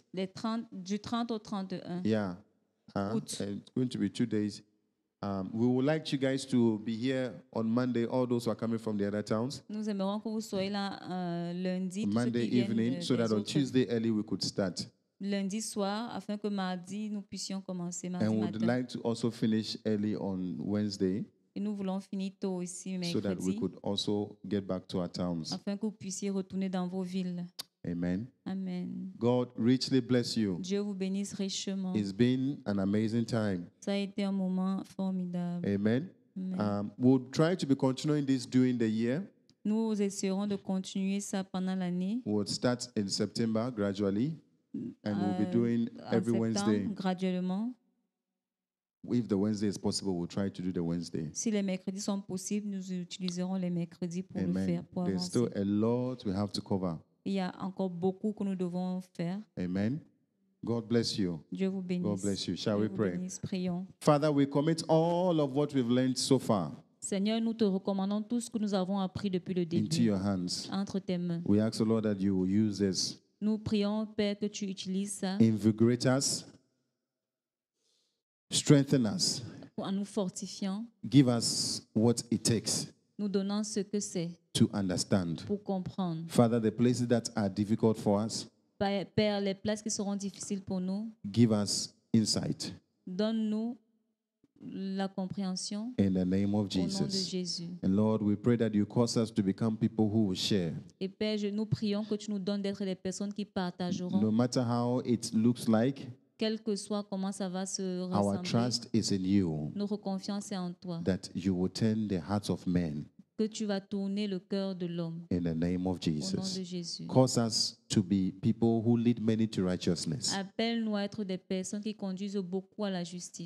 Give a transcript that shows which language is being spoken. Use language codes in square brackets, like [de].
[fr] Les 30, du 30 au 31. [en] Yeah. It's going to be 2 days. We would like you guys to be here on Monday, all those who are coming from the other towns. [fr] Nous aimerons que vous soyez là lundi. [en] Monday evening, so that on Tuesday early we could start. [fr] Lundi soir, afin que mardi nous puissions commencer mardi [en] and [fr] matin. [en] And we'd like to also finish early on Wednesday. [fr] Et nous voulons finir tôt aussi mercredi. [en] So that we could also get back to our towns. [fr] Afin que vous puissiez retourner dans vos villes. [en] Amen. Amen. God richly bless you. [fr] Dieu vous bénisse richement. [en] It's been an amazing time. [fr] Ça a été un moment formidable. [en] Amen. Amen. We'll try to be continuing this during the year. [fr] Nous essaierons de continuer ça pendant l'année. [en] We'll start in September gradually. And we'll be doing every Wednesday. [fr] Graduellement. [en] If the Wednesday is possible, we'll try to do the Wednesday. [fr] Si les mercredis sont possibles, nous utiliserons les mercredis pour [en] Amen. [fr] Le faire. Pour [en] There's [fr] avancer. [en] Still a lot we have to cover. [fr] Il y a encore beaucoup que nous devons faire. [en] Amen. God bless you. [fr] Dieu vous bénisse. [en] God bless you. Shall [fr] Dieu [en] we pray? [fr] Bénisse. Prions. [en] Father, we commit all of what we've learned so far. [fr] Seigneur, nous te recommandons tout ce que nous avons appris depuis le début. [en] Into your hands. [fr] Entre tes mains. [en] We ask the Lord that you will use this. [fr] Nous prions, Père, que tu utilises ça. [en] Invigorate us. Strengthen us. [fr] En nous fortifiant. [en] Give us what it takes. [fr] Nous donnons ce que c'est. [en] To understand. [fr] Pour comprendre. [en] Father, the places that are difficult for us. [fr] Père, les places qui seront difficiles pour nous. [en] Give us insight. [fr] Donne-nous la compréhension. [en] In the name of Jesus. [fr] Au nom de Jésus. [en] And Lord, we pray that you cause us to become people who will share. [fr] Et Père, nous prions que tu nous donnes d'être les personnes qui partageront. [en] No matter how it looks like. [fr] Quel que soit comment ça va se rassembler. [en] Our trust is in you. [fr] Notre confiance est en toi. [en] That you will turn the hearts of men. [fr] Que tu vas tourner le cœur de l'homme. [en] In the name of Jesus. [fr] Au nom de Jésus. [en] Cause us to be people who lead many to righteousness. [fr] Appelle-nous à être des personnes qui conduisent beaucoup à la justice.